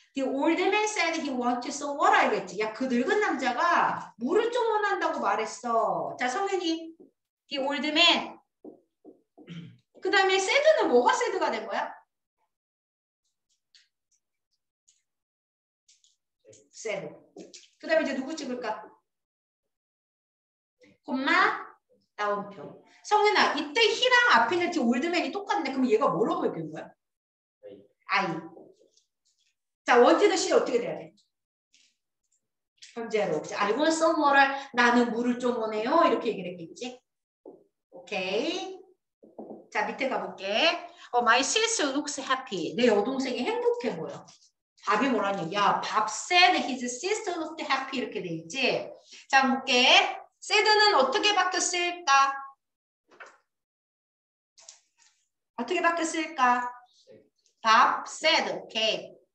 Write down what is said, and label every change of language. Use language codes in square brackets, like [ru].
[en] The old man said he wanted some water. [ko] 이랬지. 야, 그 늙은 남자가 물을 좀 원한다고 말했어. 자, 성현이. The old man. 그 다음에 said는 뭐가 said가 된 거야? said. 그 다음에 이제 누구 찍을까? 콤마, 따옴표. 성윤아, 이때 히랑 앞에 있는 올드맨이 똑같네. 그럼 얘가 뭐라고 읽는 거야? 아이. 자, 원티드 시 어떻게 돼야 돼? 현재로. [en] I want some water. [ko] 나는 물을 좀 원해요. 이렇게 얘기를 했겠지? 오케이. 자, 밑에 가볼게. [en] Oh, my sister looks happy. [ko] 내 여동생이 행복해 보여. 밥이 뭐라니? [en] 야, Bob said his sister looked happy. [ko] 이렇게 돼 있지? 자, 볼게. said는 어떻게 바뀌었을까? 어떻게 바뀌었을까? [en] Bob said, 오케이.